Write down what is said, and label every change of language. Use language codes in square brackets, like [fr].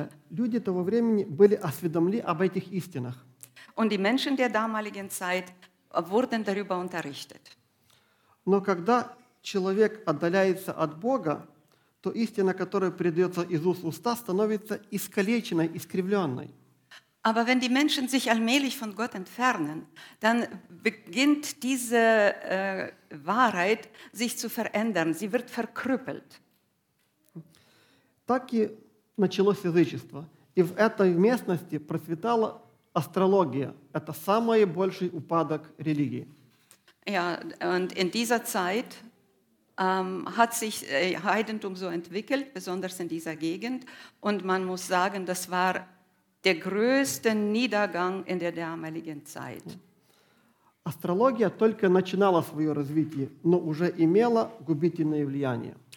[ru] Люди того времени были осведомлены об этих истинах. [de] Und die Menschen der damaligen Zeit wurden darüber unterrichtet. [ru] Но когда человек отдаляется от Бога, то истина, которая передается из уст в уста, становится искалеченной, искривленной. [de] Aber wenn die Menschen sich allmählich von Gott entfernen, dann beginnt diese Wahrheit sich zu verändern. Sie wird verkrüppelt. [ru] Так и началось язычество. И в этой местности процветала астрология. Это самый большой упадок религии. [de] Ja, und in dieser Zeit hat sich Heidentum so entwickelt, besonders in dieser Gegend. Und man muss sagen, das war der größte Niedergang in der damaligen Zeit. [ru] Астрология только начинала свое развитие, но уже имела губительное влияние.